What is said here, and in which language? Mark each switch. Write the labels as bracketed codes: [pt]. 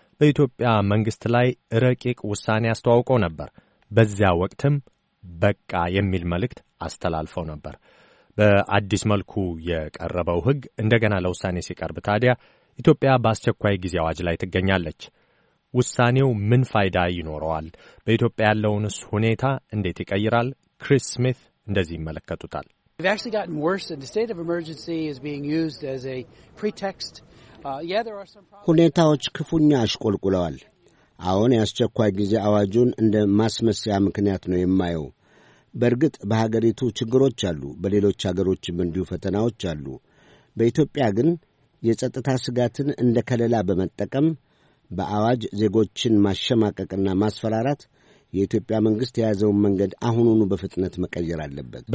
[am] በኢትዮጵያ መንግስት ላይ ረቂቅ ውሳኔ አስተዋውቆ ነበር። በዚያ ወቅትም በቃ የሚል መልእክት አስተላልፈው ነበር። በአዲስ መልኩ የቀረበው ህግ እንደገና ለውሳኔ ሲቀርብ ታዲያ ኢትዮጵያ በአስቸኳይ ጊዜ አዋጅ ላይ ትገኛለች። ውሳኔው ምን ፋይዳ ይኖረዋል? በኢትዮጵያ ያለውንስ ሁኔታ እንዴት ይቀይራል? ክሪስ ስሚዝ እንደዚህ ይመለከቱታል። [en] We've actually gotten worse and the state of emergency is being used as a pretext. There are some problems. [am] ሁኔታዎች ክፉኛ አሽቆልቁለዋል። አሁን ያስቸኳይ ጊዜ አዋጁን እንደ ማስመሰያ ምክንያት ነው የማየው። በርግጥ በሀገሪቱ ችግሮች አሉ፣ በሌሎች ሀገሮችም እንዲሁ ፈተናዎች አሉ። በኢትዮጵያ ግን የጸጥታ ስጋትን እንደ ከለላ በመጠቀም በአዋጅ ዜጎችን ማሸማቀቅና ማስፈራራት የኢትዮጵያ መንግስት የያዘውን መንገድ አሁኑኑ በፍጥነት መቀየር አለበት።